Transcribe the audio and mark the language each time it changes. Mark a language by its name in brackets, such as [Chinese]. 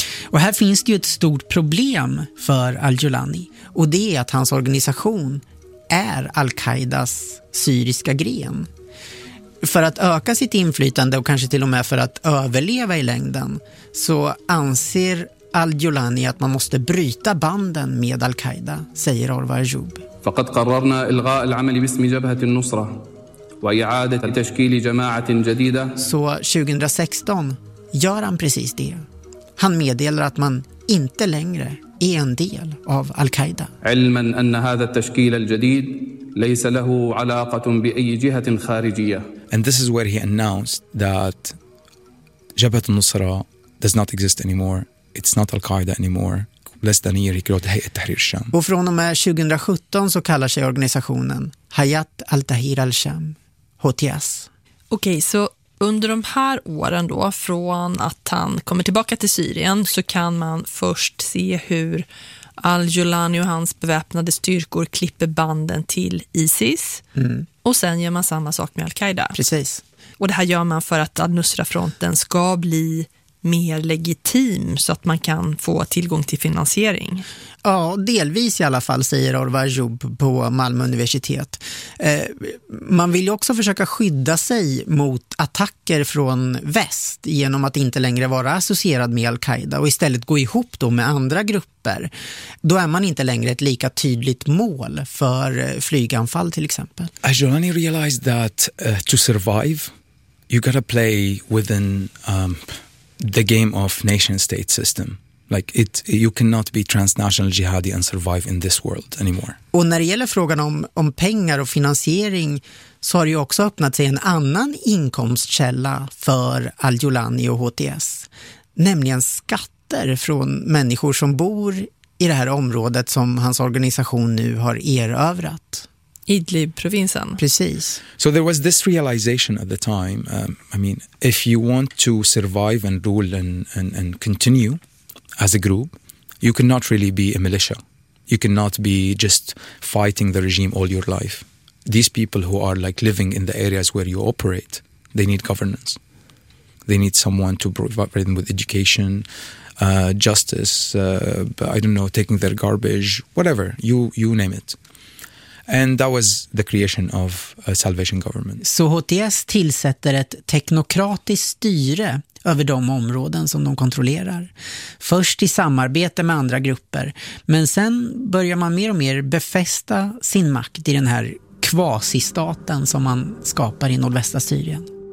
[Swedish] Och här finns det ju ett stort problem för al-Julani, och det är att hans organisation är al-Qaidas syriska gren. För att öka sitt inflytande och kanske till och med för att överleva i längden, så anser al-Julani att man måste bryta banden med al-Qaida, säger Orvar Jobb. [Arabic] فقد قررنا إلغاء العمل باسم جبهة النصرة وإعادة تشكيل جماعة جديدة. [Swedish] Så 2016 gör han precis det. Han meddelar att man inte längre är en del av al-Qaida. [Arabic] علما أن هذا التشكيل الجديد ليس له علاقة بأي جهة خارجية. [English] And this is where he announced that Jabhat al-Nusra does not exist anymore. It's not al-Qaida anymore. Less than a year ago, Hayat Tahrir al-Sham. [Swedish] Och från och med 2017 så kallar sig organisationen Hayat al-Tahrir al-Sham, HTS. Okej, så under de här åren då, från att han kommer tillbaka till Syrien, så kan man först se hur al-Julani och hans beväpnade styrkor klipper banden till ISIS. Mm. Och sen gör man samma sak med al-Qaida. Precis. Och det här gör man för att al-Nusra-fronten ska bli mer legitim, så att man kan få tillgång till finansiering. Ja, delvis i alla fall, säger Orvar Jobb på Malmö universitet. Man vill ju också försöka skydda sig mot attacker från väst genom att inte längre vara associerad med al-Qaida och istället gå ihop då med andra grupper. Då är man inte längre ett lika tydligt mål för flyganfall till exempel. [English] Al-Julani realized that to survive you gotta play within the game of nation state system. Like it, you cannot be transnational jihadi and survive in this world anymore. [Swedish] Och när det gäller frågan om pengar och finansiering, så har det ju också öppnat sig en annan inkomstkälla för al-Julani och HTS, nämligen skatter från människor som bor i det här området som hans organisation nu har erövrat. Idlib-provinsen. Precis. [English] So there was this realization at the time. I mean, if you want to survive and rule and continue as a group, you cannot really be a militia. You cannot be just fighting the regime all your life. These people who are like living in the areas where you operate, they need governance. They need someone to provide them with education, justice, I don't know, taking their garbage, whatever, you name it. And that was the creation of a Salvation Government. [Swedish] Så HTS tillsätter ett teknokratiskt styre över de områden som de kontrollerar. Först i samarbete med andra grupper, men sen börjar man mer och mer befästa sin makt i den här kvasistaten som man skapar i nordvästra Syrien.